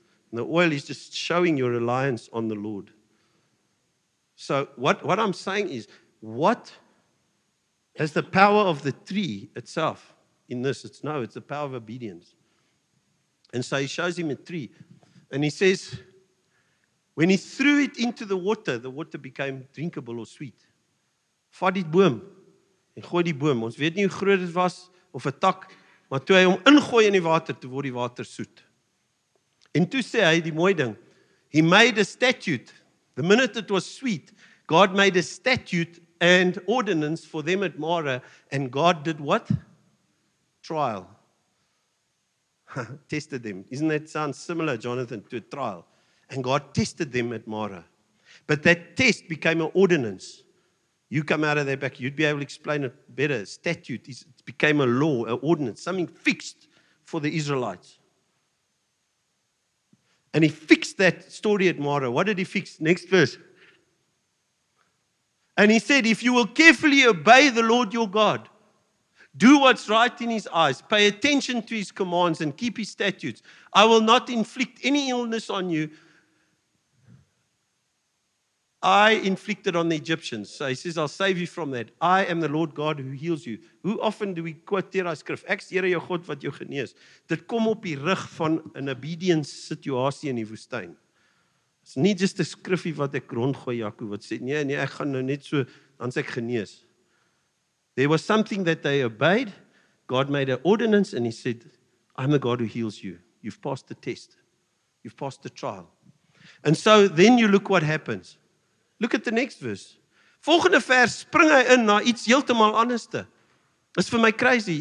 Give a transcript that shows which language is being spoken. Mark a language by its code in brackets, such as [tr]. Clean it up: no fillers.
[en] And the oil is just showing your reliance on the Lord. So what I'm saying is, what has the power of the tree itself in this? It's the power of obedience. And so he shows him a tree. And he says, when he threw it into the water became drinkable or sweet. [af] Vat die boom en gooi die boom. Ons weet nie hoe groot dit was of 'n tak, maar toe hy hom ingooi in die water, toe word die water soet. En toe sê hy die mooi ding, [en] he made a statute. The minute it was sweet, God made a statute and ordinance for them at Marah, and God did what? Trial. Tested them. Isn't that sound similar, Jonathan, to a trial? And God tested them at Marah. But that test became an ordinance. You come out of that back, you'd be able to explain it better. Statute, it became a law, an ordinance, something fixed for the Israelites. And he fixed that story at Marah. What did he fix? Next verse. And he said, if you will carefully obey the Lord your God, do what's right in his eyes, pay attention to his commands and keep his statutes, I will not inflict any illness on you. I inflicted on the Egyptians. So he says, I'll save you from that. I am the Lord God who heals you. Hoe often do we quote our skrif? [af] Ek is Here jou God wat jou genees. Dit kom op die rug van 'n obedience situasie in die woestyn. [en] It's [af] nie just 'n skrifie wat ek rondgooi, Jaco, wat sê, nee, ek gaan nou net so, dan sê ek genees. [en] There was something that they obeyed. God made an ordinance and he said, I'm the God who heals you. You've passed the test. You've passed the trial. And so then you look what happens. Look at the next verse. [af] Volgende vers spring hy in na iets heeltemal anderste. [en] It's for my crazy.